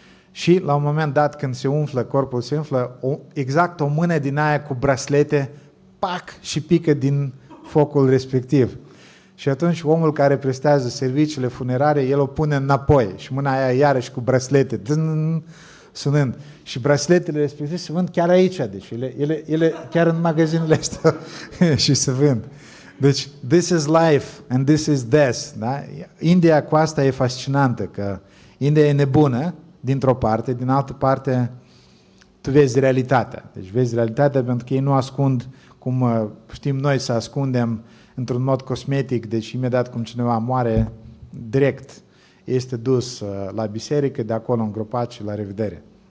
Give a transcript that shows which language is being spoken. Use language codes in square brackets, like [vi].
[ro] Și la un moment dat când se umflă, corpul se umflă, exact o mână din aia cu braslete, pac, și pică din focul respectiv. Și atunci omul care prestează serviciile funerare, el o pune înapoi și mâna aia iarăși cu braslete, sunând. Și brasletele respective se vând chiar aici, deci ele chiar în magazinele astea și se vând. Deci, [en] this is life and this is death. [ro] Da? India cu asta e fascinantă, că India e nebună dintr-o parte, din altă parte tu vezi realitatea. Deci vezi realitatea pentru că ei nu ascund cum știm noi să ascundem într-un mod cosmetic, deci imediat cum cineva moare, direct este dus la biserică, de acolo îngropat și la revedere.